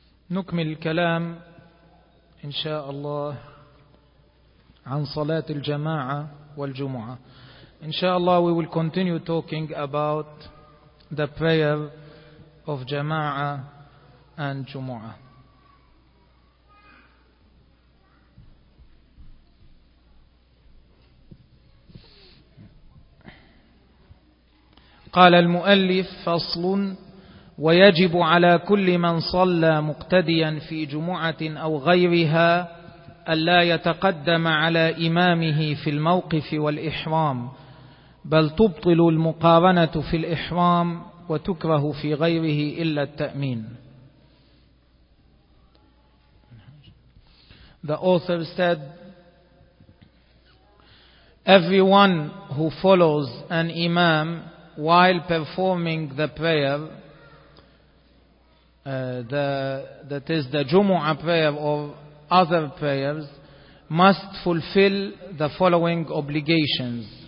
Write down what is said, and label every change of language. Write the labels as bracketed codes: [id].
[ar] نكمل الكلام إن شاء الله عن صلاة الجماعة والجمعة. إن شاء الله [en] we will continue talking about the prayer of جماعة and جمعة. [ar] قال المؤلف فصل: ويجب على كل من صلى مقتديا في جمعة أو غيرها ألا يتقدم على إمامه في الموقف والإحرام، بل تبطل المقارنة في الإحرام وتكره في غيره إلا التأمين. [en] The author said, everyone who follows an imam while performing the prayer, that is the Jumu'ah prayer or other prayers, must fulfill the following obligations.